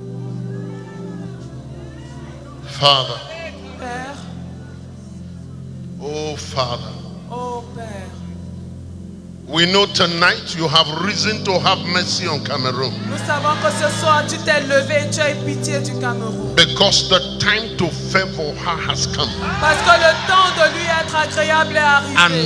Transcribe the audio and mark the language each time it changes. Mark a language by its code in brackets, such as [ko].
[en] Amen. Father. [fr] Père. [en] Oh Father. [fr] Oh Père. [en] We know tonight you have reason to have mercy on Cameroon. [fr] Nous savons que ce soir tu t'es levé et tu as pitié du Cameroun. [en] Because the time to favor her has come. [fr] Parce que le temps de lui être agréable est arrivé.